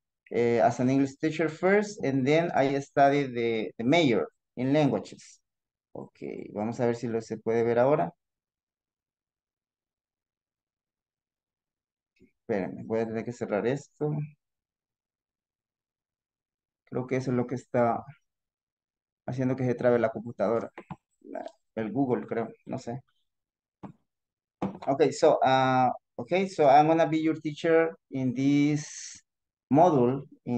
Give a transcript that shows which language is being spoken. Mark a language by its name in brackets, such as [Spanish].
[English] As an English teacher first, and then I studied the major in languages. [Spanish] Okay, vamos a ver si lo se puede ver ahora. Espérenme, voy a tener que cerrar esto. Creo que eso es lo que está haciendo que se trabe la computadora. El Google, creo, no sé. Okay, so... [English] Okay, so I'm gonna be your teacher in this module.